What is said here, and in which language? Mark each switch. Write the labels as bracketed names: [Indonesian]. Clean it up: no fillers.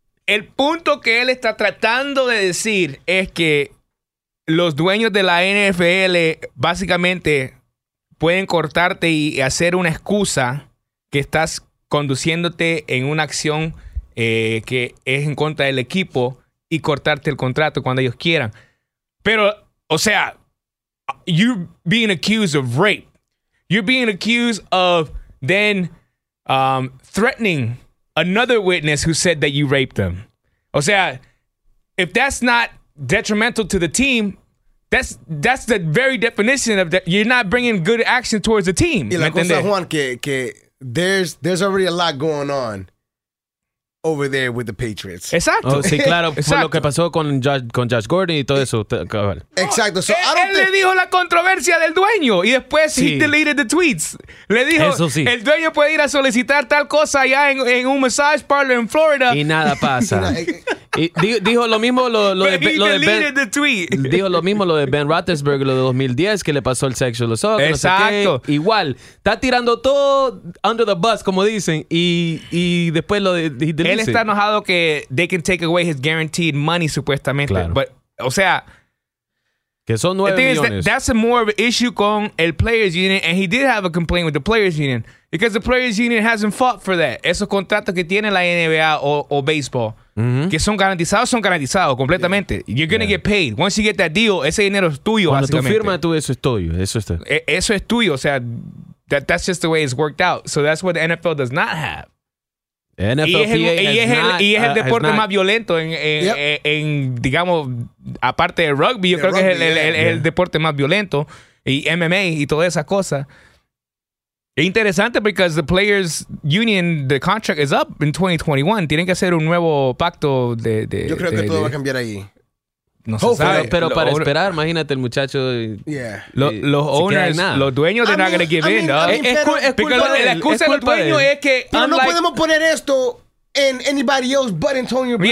[Spanish] El punto que él está tratando de decir es que los dueños de la NFL básicamente pueden cortarte y hacer una excusa que estás conduciéndote en una acción que es en contra del equipo y cortarte el contrato cuando ellos quieran. [English] Pero, o sea, you're being accused of rape. You're being accused of then threatening another witness who said that you raped them. [Spanish] O sea, [English] if that's not detrimental to the team, that's the very definition of that. You're not bringing good action towards the team. [Spanish] Y la cosa, Juan, que [English] there's already a lot going on over there with the Patriots. [Spanish] Exacto. Oh, sí, claro. Fue lo que pasó con Josh Gordon y todo eso. Exacto. So, él le dijo la controversia del dueño y después sí. [English] He deleted the tweets. [Spanish] Le dijo, eso sí. El dueño puede ir a solicitar tal cosa allá en un massage parlor en Florida. Y nada pasa. Y dijo lo mismo lo de Ben Roethlisberger lo de 2010 que le pasó el sexual assault. Exacto. No sé qué. Igual está tirando todo [English] under the bus [Spanish] como dicen y después lo de él está enojado que [English] they can take away his guaranteed money [Spanish] supuestamente. Claro. [English] But, [Spanish] o sea que son 9 millones. [English] That's a more of an issue [Spanish] con el [English] players union, and he did have a complaint with the players union because the players union hasn't fought for that. [Spanish] Esos contratos que tiene la NBA o baseball. Mm-hmm. Que son garantizados completamente. [English] Yeah. You're going to get paid. Once you get that deal, [Spanish] ese dinero es tuyo. Cuando tú firmas, eso es tuyo. Eso es tuyo. O sea, [English] that's just the way it's worked out. So that's what the NFL does not have. [Spanish] Y es el deporte más violento en digamos, aparte de rugby, creo que es el deporte más violento. Y MMA y todas esas cosas. Interesante [English] because the players union, the contract is up in 2021. [Spanish] Tienen que hacer un nuevo pacto de yo creo que todo va a cambiar ahí. No se sabe. Pero para esperar, imagínate el muchacho. Los owners, los dueños de [English] not going to give in. [Spanish] La excusa del dueño es que... Pero no podemos poner esto en [English] anybody else but [Spanish] Antonio Brown.